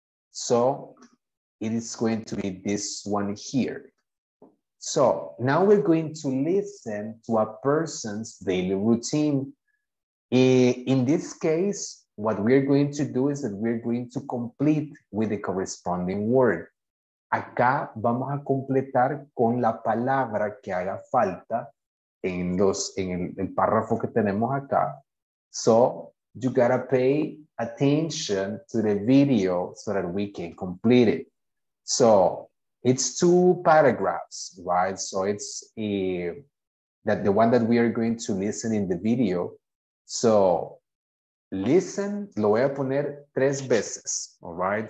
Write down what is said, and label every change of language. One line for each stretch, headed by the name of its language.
English: So, it is going to be this one here. So, now we're going to listen to a person's daily routine. In this case, what we're going to do is that we're going to complete with the corresponding word.
Spanish: Acá vamos a completar con la palabra que haga falta en el párrafo que tenemos acá.
English: So, you gotta pay attention to the video so that we can complete it. So, it's two paragraphs, right? So, it's the one that we are going to listen in the video. So, listen, lo voy a poner tres veces, all right?